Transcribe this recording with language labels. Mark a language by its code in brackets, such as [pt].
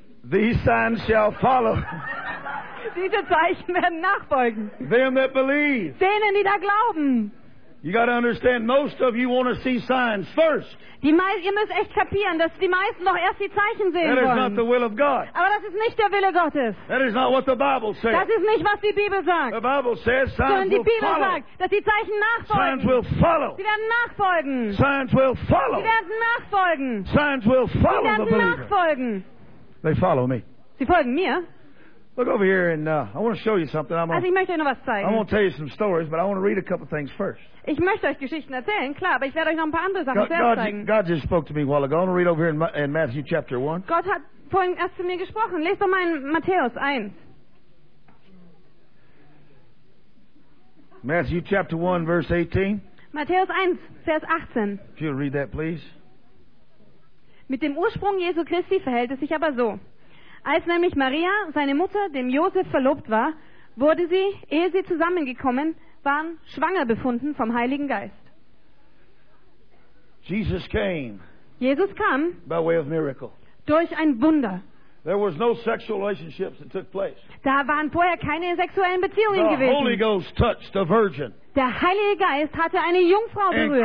[en] These signs shall follow. [de] Diese Zeichen werden nachfolgen. [en] Them that believe. [de] Denen, die da glauben. [en] You got to understand, most of you want to see signs first. [de] Ihr müsst echt kapieren, dass die meisten noch erst die Zeichen sehen wollen. [en] That is not the will of God. [de] Aber das ist nicht der Wille Gottes. [en] That is not what the Bible says. [de] Das ist nicht, was die Bibel sagt. [en] The Bible says signs will [de] Sondern die Bibel sagt, dass die Zeichen nachfolgen. [en] Signs will follow. [de] Sie werden nachfolgen. [en] Signs will follow. [de] Sie werden nachfolgen. [en] Signs will follow the believer. [de] Sie werden nachfolgen. [en] They follow me. [de] Sie folgen mir. [en] Look over here, and I want to show you something. [de] Ich möchte euch noch was zeigen. [en] I'm going to tell you some stories, but I want to read a couple things first. [de] Ich möchte euch Geschichten erzählen, klar, aber ich werde euch noch ein paar andere Sachen zeigen. [en] God just spoke to me a while ago. I want to read over here in Matthew chapter 1. [de] Gott hat vorhin erst zu mir gesprochen. Lest doch mal in Matthäus 1. [en] Matthew chapter 1, verse 18. [de] Matthäus 1, Vers 18. [en] If you'll read that, please. [de] Mit dem Ursprung Jesu Christi verhält es sich aber so. Als nämlich Maria, seine Mutter, dem Josef verlobt war, wurde sie, ehe sie zusammengekommen waren, schwanger befunden vom Heiligen Geist. [en] Jesus came. [de] Jesus kam. [en] By way of miracle. [de] Durch ein Wunder. [en] There was no sexual relationships that took place. [de] Da waren vorher keine sexuellen Beziehungen gewesen. [en] The Holy Ghost touched a virgin. [de] Der Heilige Geist hatte eine Jungfrau berührt.